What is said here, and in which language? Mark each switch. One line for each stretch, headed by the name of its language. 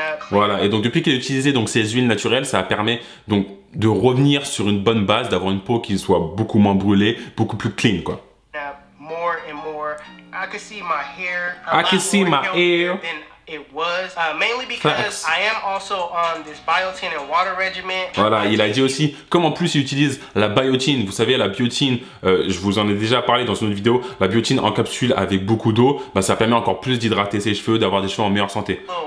French: Voilà, et donc depuis qu'il a utilisé donc ces huiles naturelles, ça permet donc de revenir sur une bonne base, d'avoir une peau qui soit beaucoup moins brûlée, beaucoup plus clean, quoi.
English: More and more, I can see my hair. I can see my hair. It was mainly because I am also on this biotin and water regimen.
French: Voilà, il a dit aussi comme en plus il utilise la biotine, vous savez la biotine, je vous en ai déjà parlé dans une autre vidéo, la biotine en capsule avec beaucoup d'eau, bah ça permet encore plus d'hydrater ses cheveux, d'avoir des cheveux en meilleure santé.